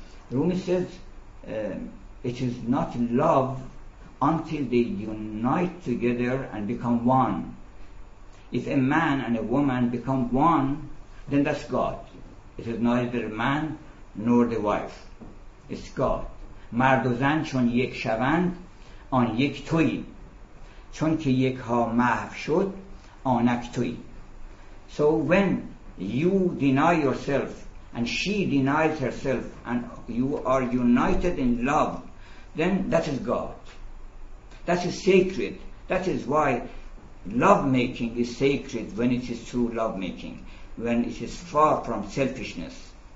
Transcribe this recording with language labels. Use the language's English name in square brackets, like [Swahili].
[English] Rumi says it is not love until they unite together and become one. If a man and a woman become one, then that's God. It is neither man nor the wife. It's God. [Persian] مرد و زن چون یک شوند آن یک توی. چون که یک ها محو شد آنک توی. [English] So when you deny yourself and she denies herself and you are united in love, then that is God. That is sacred. That is why love making is sacred, when it is true love making, when it is far from selfishness.